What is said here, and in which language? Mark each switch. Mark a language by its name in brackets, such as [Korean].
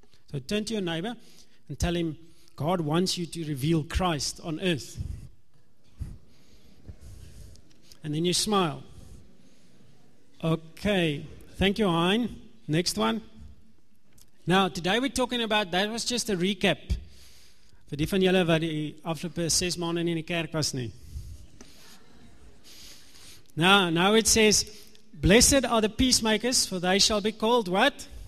[English] So turn to your neighbor and tell him, God wants you to reveal Christ on earth. And then you smile. Okay. Thank you, Hein. Next one. Now, today we're talking about, that was just a recap. [Afrikaans] Vir die van julle wat die afgelope 6 maande nie in die kerk was nie. [English] Now it says, blessed are the peacemakers, for they shall be called what?